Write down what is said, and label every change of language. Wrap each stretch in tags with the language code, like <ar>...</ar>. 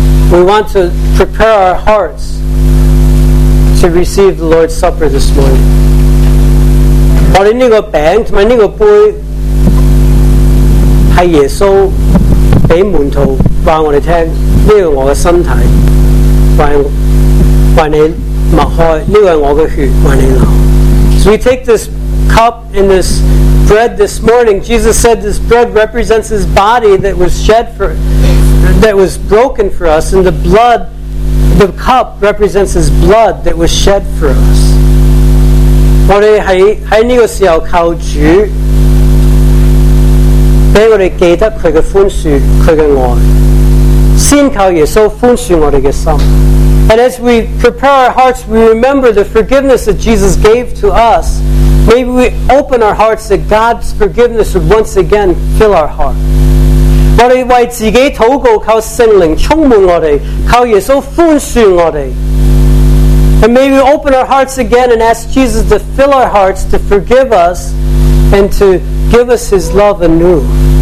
<en>We want to prepare our hearts to receive the Lord's Supper this morning。</en> <zh>我们这个饼和这个杯是耶稣给门徒告诉我们，这个是我的身体为你擘开，这个是我的血为你流。</zh> <en>So we take this cup and this bread this morning。 Jesus said this bread represents his body that was shed for us, that was broken for us, and the blood, the cup represents his blood that was shed for us.</en> <zh>我们在这个时候靠主给我们记得祂的宽恕，祂的爱，先靠耶稣宽恕我们的心。</zh> <en>And as we prepare our hearts, we remember the forgiveness that Jesus gave to us. Maybe we open our hearts that God's forgiveness would once again fill our heart.</en> <zh>我们为自己祷告，靠圣灵充满我们，靠耶稣宽恕我们。</zh> <en>And may we open our hearts again and ask Jesus to fill our hearts, to forgive us, and to give us his love anew.</en>